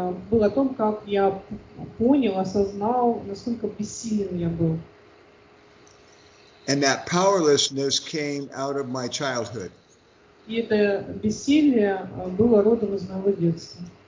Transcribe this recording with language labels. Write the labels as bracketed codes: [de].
[ru] Был о том, как я понял, осознал, насколько бессилен я был. [en] And that powerlessness came out of my childhood. [ru] И это бессилие было родом из моего детства.